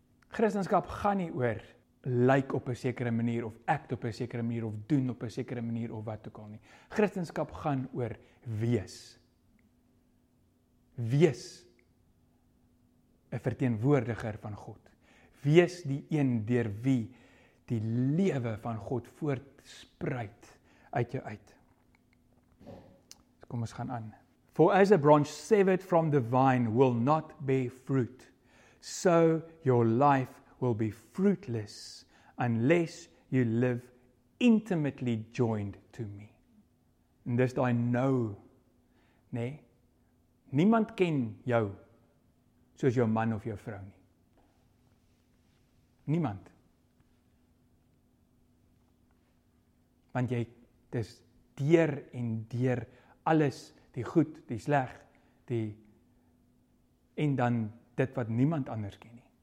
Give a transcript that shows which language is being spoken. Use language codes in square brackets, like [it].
[af] Christendom gaan nie oor lyk op 'n sekere manier of act op 'n sekere manier of doen op 'n sekere manier of wat ook al nie. Christendom gaan oor wees. Wees 'n verteenwoordiger van God. Wees die een deur wie die lewe van God voortspruit uit jou uit. Kom ons gaan aan. [en] For as a branch severed from the vine will not bear fruit, so your life will be fruitless unless you live intimately joined to me. [af] En dis daai nou, nê? Niemand ken jou soos jou man of jou vrou nie. Niemand. Want jy dis deur en deur alles, die goed, die sleg, die en dan dit wat niemand anders ken.